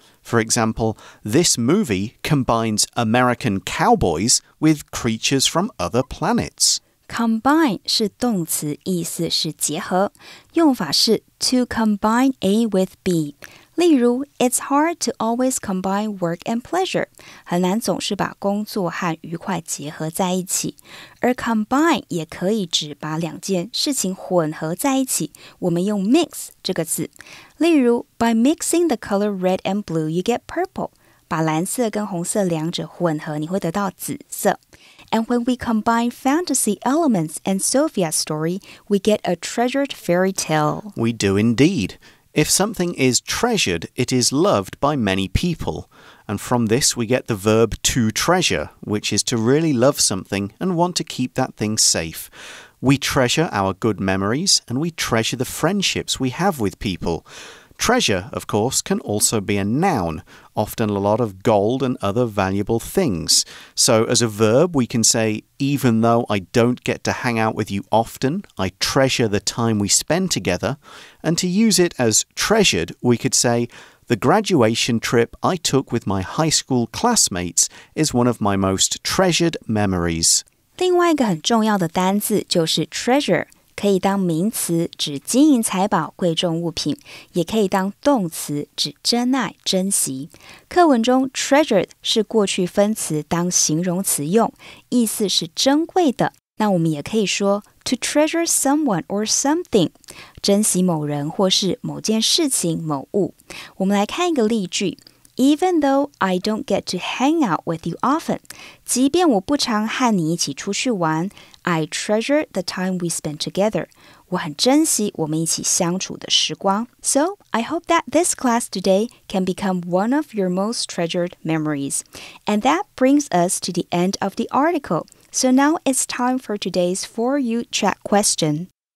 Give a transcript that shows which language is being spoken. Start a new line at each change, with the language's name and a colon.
English: For example, this movie combines American cowboys with creatures from other planets.
Chinese: Combine 是动词，意思是结合。用法是
English: to combine A with B.
Chinese: 例如
English: it's hard to always combine work and pleasure.
Chinese: 很难总是把工作和愉快结合在一起。而 combine 也可以指把两件事情混合在一起，我们用 mix 这个字。例如
English: by mixing the color red and blue, you get purple.
Chinese: 把蓝色跟红色两者混合，你会得到紫色。
English: And when we combine fantasy elements and Sophia's story, we get a treasured fairy tale. We do indeed. If something is treasured, it is loved by many people. And from this, we get the verb to treasure, which is to really love something and want to keep that thing safe. We treasure our good memories and we treasure the friendships we have with people. Treasure, of course, can also be a noun, often a lot of gold and other valuable things. So as a verb, we can say, even though I don't get to hang out with you often, I treasure the time we spend together. And to use it as treasured, we could say, the graduation trip I took with my high school classmates is one of my most treasured memories.
Chinese: 另外一个很重要的单字就是 treasure, 可以当名词指金银财宝、贵重物品，也可以当动词指珍爱、珍惜。课文中 treasured 是过去分词当形容词用，意思是珍贵的。那我们也可以说
English: to treasure someone or something，
Chinese: 珍惜某人或是某件事情、某物。我们来看一个例句。
English: Even though I don't get to hang out with you often,
Chinese: 即便我不常和你一起出去玩
English: I treasure the time we spend together.
Chinese: 我很珍惜我们一起相处的时光。
English: So, I hope that this class today can become one of your most treasured memories. And that brings us to the end of the article. So now it's time for today's For You Chat question.